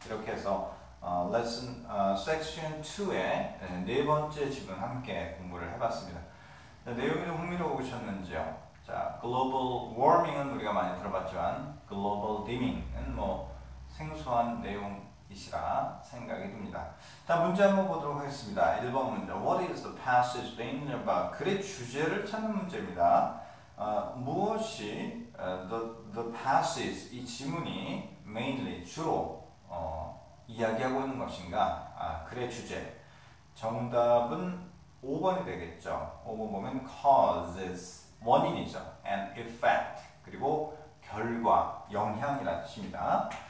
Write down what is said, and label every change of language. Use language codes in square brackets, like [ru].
[ko] 이렇게 해서 lesson, section 2의 네 번째 지금 함께 공부를 해봤습니다. 자, 내용이 좀 흥미로우셨는지요? 자, global warming은 우리가 많이 들어봤지만 global dimming은 뭐 생소한 내용이시라 생각이 듭니다. 자, 문제 한번 보도록 하겠습니다. 1번 문제, [en] What is the passage being about? [ko] 글의 주제를 찾는 문제입니다. 무엇이 [en] the passage, [ko] 이 지문이 mainly, 주로 이야기하고 있는 것인가? 아, 글의 주제. 정답은 5번이 되겠죠. 5번 보면 causes, 원인이죠. and effect, 그리고 결과, 영향이라는 뜻입니다.